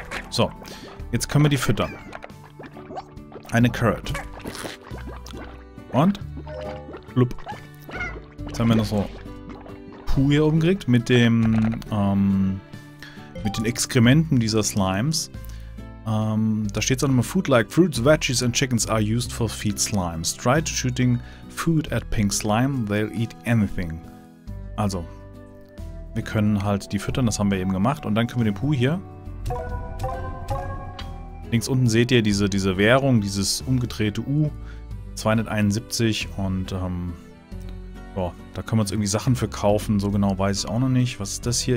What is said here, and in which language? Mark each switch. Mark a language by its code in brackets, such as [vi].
[de] So, jetzt können wir die füttern. Eine Carrot. Und? Blub. Jetzt haben wir noch so Puh hier oben gekriegt mit dem mit den Exkrementen dieser Slimes. Da steht es auch nochmal, [en] Food like fruits, veggies and chickens are used for feed slimes. Try shooting food at pink slime, they'll eat anything. [de] Also, wir können halt die füttern, das haben wir eben gemacht. Und dann können wir den Puh hier, links unten seht ihr diese Währung, dieses umgedrehte U, 271. Und boah, da können wir uns irgendwie Sachen verkaufen, so genau weiß ich auch noch nicht. Was ist das hier?